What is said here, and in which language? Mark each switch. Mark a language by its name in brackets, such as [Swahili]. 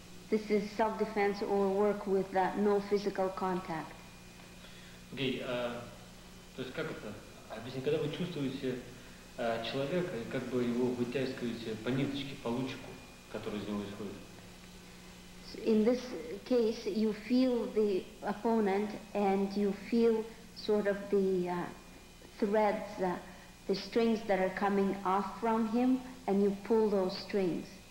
[English] This is self-defense or work with no physical contact. [Russian] Okay, то есть как это? Объясни, когда вы чувствуете человека и как бы его вытягиваете по ниточке, по лучику, который из него исходит. [English] In this case, you feel the opponent and you feel sort of the threads, the strings that are coming off from him, and you pull those strings.